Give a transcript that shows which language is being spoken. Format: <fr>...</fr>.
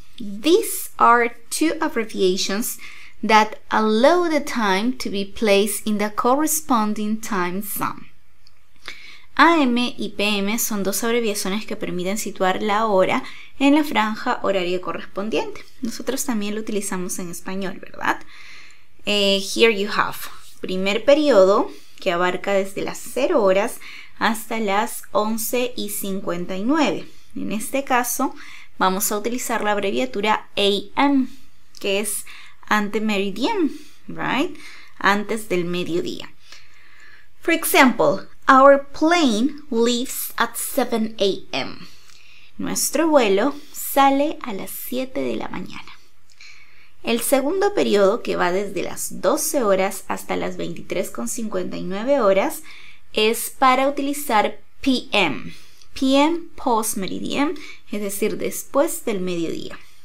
<en>These are two abbreviations that allow the time to be placed in the corresponding time zone.</en> <es>AM y PM son dos abreviaciones que permiten situar la hora en la franja horaria correspondiente. Nosotros también lo utilizamos en español, ¿verdad?</es> <en>Here you have.</en> <es>Primer periodo, que abarca desde las 0 horas hasta las 11:59. En este caso, vamos a utilizar la abreviatura AM, que es ante meridian, right? Antes del mediodía.</es> <en>For example, our plane leaves at 7 a.m.</en> <es>Nuestro vuelo sale a las 7 de la mañana. El segundo periodo, que va desde las 12 horas hasta las 23:59 horas, es para utilizar PM. PM post meridian, es decir, después del mediodía.</es>